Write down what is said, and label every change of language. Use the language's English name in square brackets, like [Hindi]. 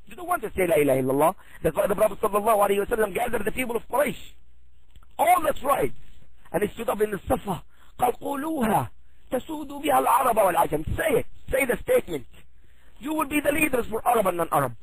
[English] They don't want to say [Arabic] لا إله إلا الله. [English] That's why the Prophet [Arabic] صلى الله عليه وسلم [English] gathered the people of Quraysh, all the tribes, and he stood up in the Safa. [Arabic] قال قولوها تسود بها العرب والعجم. [English] Say the statement. You will be the leaders for Arab and non-Arab.